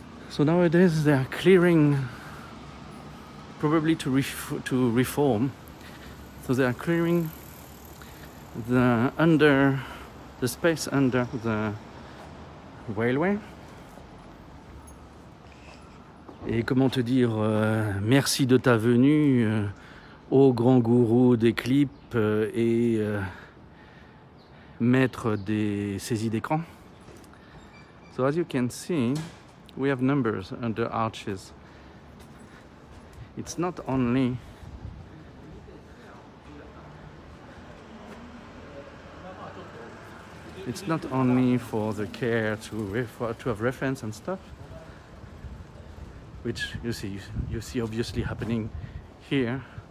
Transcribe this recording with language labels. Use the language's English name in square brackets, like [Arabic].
[English] So nowadays they are clearing, probably to reform. So they are clearing the space under the railway. [French] Et comment te dire merci de ta venue au grand gourou des clips et maître des saisies d'écran. [English] So as you can see, we have numbers under arches. It's not only for the care to have reference and stuff, which you see obviously happening here.